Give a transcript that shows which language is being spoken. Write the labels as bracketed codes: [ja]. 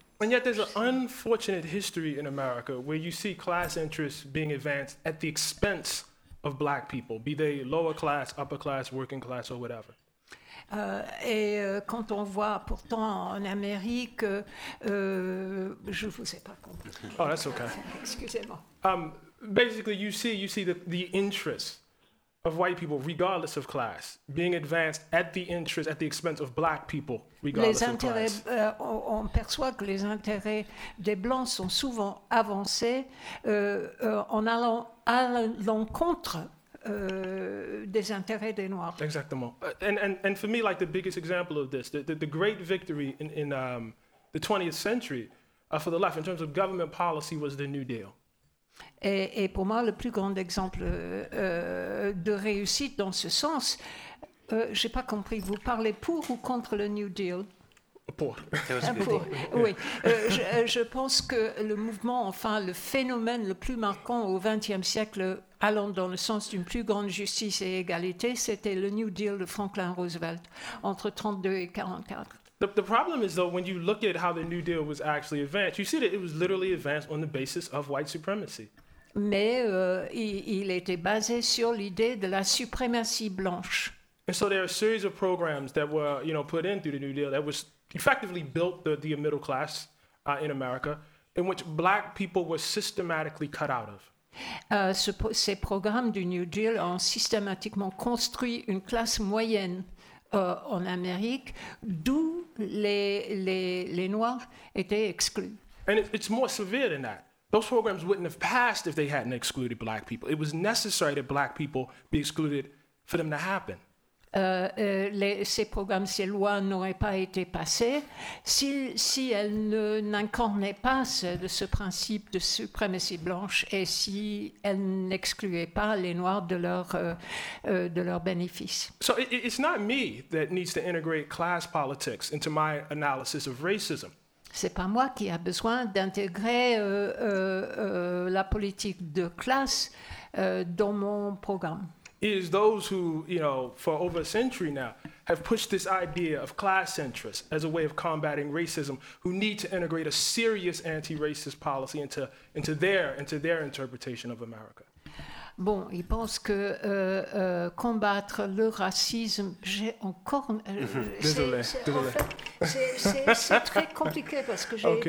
[en] And yet there's an unfortunate history in America where you see class interests being advanced at the expense of black people, be they lower class, upper class, working class, or whatever. [fr] Et quand on voit pourtant en Amérique, je vous ai pas compris. [en] Oh, that's okay. [fr] Excusez-moi. [en] Basically, you see the interests of white people, regardless of class, being advanced at the expense of black people, regardless of class. [fr] Les intérêts, on perçoit que les intérêts des blancs sont souvent avancés en allant à l'encontre des intérêts des noirs. Exactement. [en] And for me, like the biggest example of this, the great victory in the 20th century for the left in terms of government policy was the New Deal. [fr] Et pour moi, le plus grand exemple de réussite dans ce sens, je n'ai pas compris, vous parlez pour ou contre le New Deal? Pour. Oui, je pense que le mouvement, enfin le phénomène le plus marquant au XXe siècle, allant dans le sens d'une plus grande justice et égalité, c'était le New Deal de Franklin Roosevelt, entre 32 et 44. [en] The problem is, though, when you look at how the New Deal was actually advanced, you see that it was literally advanced on the basis of white supremacy. [fr] Mais il était basé sur l'idée de la suprématie blanche. [en] And so there are a series of programs that were, you know, put in through the New Deal that was effectively built the middle class in America, in which black people were systematically cut out of. Ces programmes du New Deal ont systématiquement construit une classe moyenne en Amérique, d'où les Noirs étaient exclus. And it's more severe than that. Those programs wouldn't have passed if they hadn't excluded black people. It was necessary that black people be excluded for them to happen. [fr] Ces programmes, ces lois n'auraient pas été passées si elles n'incarnaient pas ce principe de suprématie blanche et si elles n'excluaient pas les Noirs de leurs bénéfices. [en] So it's not me that needs to integrate class politics into my analysis of racism. [fr] C'est pas moi qui a besoin d'intégrer la politique de classe dans mon programme. [en] It is those who, you know, for over a century now, have pushed this idea of class interests as a way of combating racism, who need to integrate a serious anti-racist policy into their interpretation of America. [fr] Bon, ils pensent que combattre le racisme, j'ai encore... Désolé. En fait, c'est très compliqué parce que j'ai okay.